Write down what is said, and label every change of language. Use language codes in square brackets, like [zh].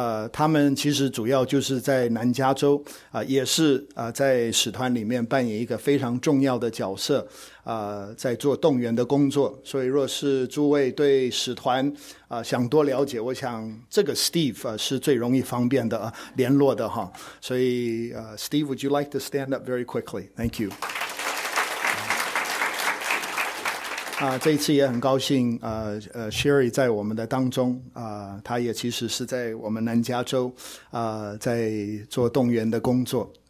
[zh] 他们其实主要就是在南加州也是在使团里面扮演一个非常重要的角色在做动员的工作。所以若是诸位对使团想多了解，我想这个 Steve 是最容易方便的联络的哈。 [en] 所以Steve, would you like to stand up very quickly? Thank you. [zh] 这一次也很高兴Sherry 在我们的当中他也其实是在我们南加州在做动员的工作。